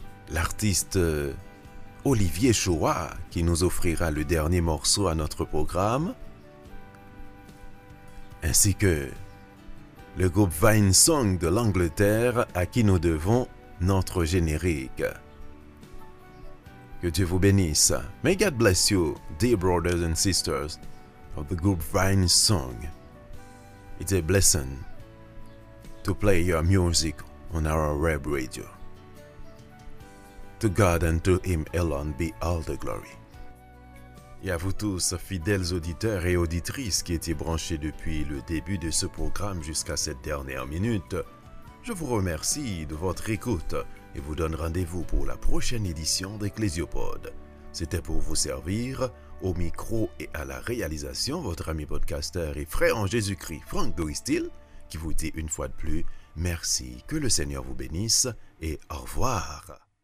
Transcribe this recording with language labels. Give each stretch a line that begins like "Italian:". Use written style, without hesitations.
French: l'artiste Olivier Choua, qui nous offrira le dernier morceau à notre programme, ainsi que le groupe Vinesong de l'Angleterre, à qui nous devons notre générique. Que Dieu vous bénisse.
English: May God bless you, dear brothers and sisters of the group Vine Song. It's a blessing to play your music on our web radio. To God and to Him alone be all the glory.
French: Et à vous tous, fidèles auditeurs et auditrices qui étaient branchés depuis le début de ce programme jusqu'à cette dernière minute, je vous remercie de votre écoute et vous donne rendez-vous pour la prochaine édition d'Ecclésiopod. C'était pour vous servir, au micro et à la réalisation, votre ami podcasteur et frère en Jésus-Christ, Franck Doristil, qui vous dit une fois de plus, merci, que le Seigneur vous bénisse, et au revoir.